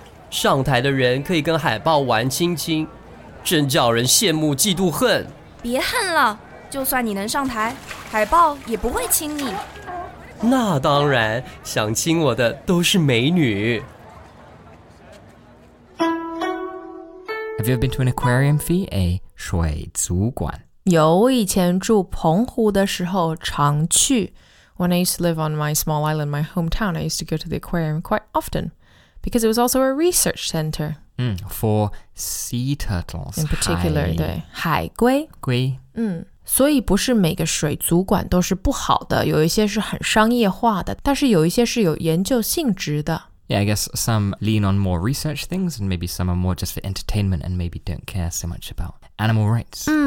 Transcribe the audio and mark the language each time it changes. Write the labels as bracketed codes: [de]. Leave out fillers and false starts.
[zh] 上台的人可以跟海豹玩亲亲, 真叫人羡慕嫉妒恨。别恨了, 就算你能上台, 海豹也不会亲你。那当然, 想亲我的都是美女。 [en] Have you ever been to an aquarium, Fee? A 水族馆? [zh] 有,我以前住澎湖的时候常去。 [en] When I used to live on my small island, my hometown, I used to go to the aquarium quite often. Because it was also a research center. For sea turtles. In particular, 海龟。 [zh] 所以不是每个水族馆都是不好的,有一些是很商业化的, 但是有一些是有研究性质的。 [en] Yeah, I guess some lean on more research things, and maybe some are more just for entertainment, and maybe don't care so much about animal rights.